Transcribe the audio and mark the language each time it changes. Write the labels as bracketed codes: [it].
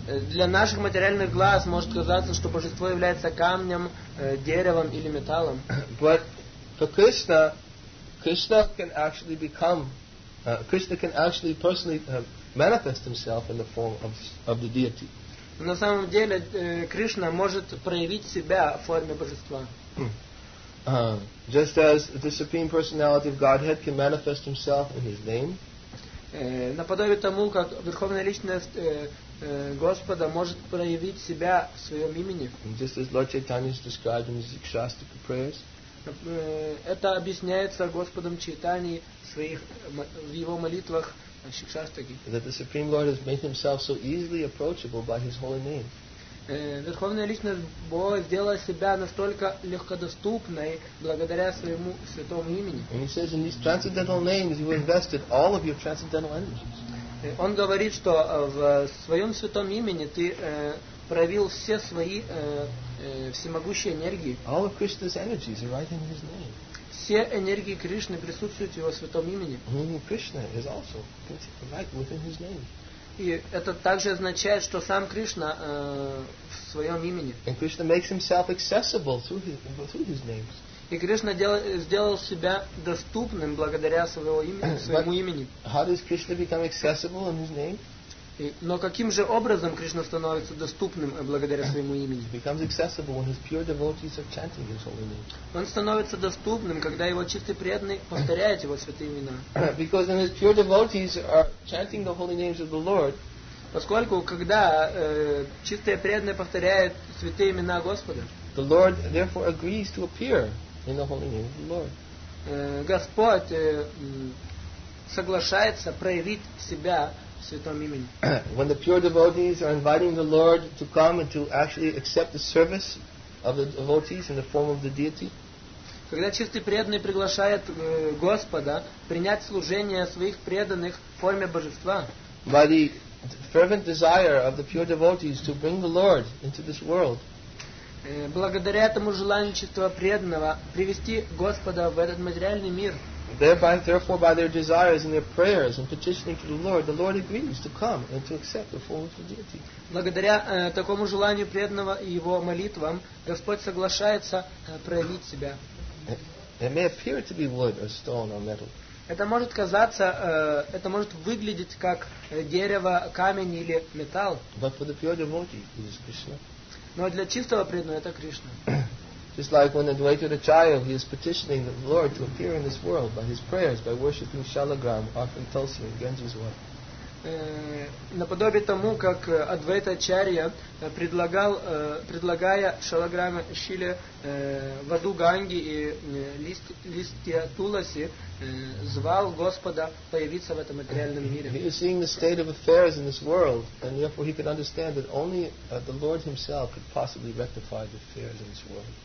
[ru] Для наших материальных глаз может казаться, что божество является камнем, деревом или металлом. [en] But for Krishna, Krishna can actually become. Krishna can actually personally manifest himself in the form of the deity. [ru] На самом деле Кришна может проявить себя в форме божества. [en] Just as the supreme personality of Godhead can manifest himself in his name. [ru] Наподобие тому, как верховная личность Господа может проявить себя в своем имени. [en] Just as Lord Chaitanya is described in his ekshastika prayers. [ru] Это объясняется Господом Чайтани в его молитвах Шикшастаки. [en] That the Supreme Lord has made himself so easily approachable by his holy name. [ru] Верховная личность Бога сделала себя настолько легкодоступной благодаря своему святому имени. [en] And he says in these transcendental names you invested all of your transcendental energies. [ru] Он говорит, что в своем святом имени ты проявил все свои всемогущие энергии. [en] All of Krishna's energies are right in his name. [ru] Все энергии Кришны присутствуют в его святом имени. [en] Meaning Krishna is also right within his name. [ru] И это также означает, что сам Кришна в своем имени. [en] And Krishna makes himself accessible through his names. [ru] И Кришна сделал себя доступным благодаря своему имени. [en] How does Krishna become accessible in his name? [ru] Но каким же образом Кришна становится доступным благодаря своему имени? [en] Becomes accessible when his pure devotees are chanting his holy name. [ru] Он становится доступным, когда его чистые преданные повторяют его святые имена. [en] Because when his pure devotees are chanting the holy names of the Lord. [ru] Поскольку когда чистые преданные повторяют святые имена Господа. [en] The Lord therefore agrees to appear in the holy name of the Lord. [ru] Господь соглашается проявить себя. [en] When the pure devotees are inviting the Lord to come and to actually accept the service of the devotees in the form of the deity. [ru] Когда чистые преданные приглашают Господа принять служение своих преданных в форме божества. [en] By the fervent desire of the pure devotees to bring the Lord into this world. [ru] Благодаря этому желанию чистого преданного привести Господа в этот материальный мир. [en] Therefore, by their desires and their prayers and petitioning to the Lord agrees to come and to accept the form of the deity. [ru] Благодаря такому желанию преданного и его молитвам, Господь соглашается проявить себя. [en] It may appear to be wood or stone or metal. [ru] Это может казаться, это может выглядеть как дерево, камень или металл. [en] But for the pure devotee, it is Krishna. [ru] Но для чистого преданного это Кришна. [en] Just like when the devotee, a child, he is petitioning the Lord to appear in this world by his prayers, by worshipping Shalagram, offering Tulsi and Ganges water. [ru] Наподобие тому, как Адвайта Ачарья предлагал, предлагая Шалаграме Шиле воду Ганги и листья Туласи, звал Господа появиться в этом материальном мире. [en] He was seeing the state of affairs in this world, and therefore he could understand that only the Lord himself could possibly rectify the affairs in this world.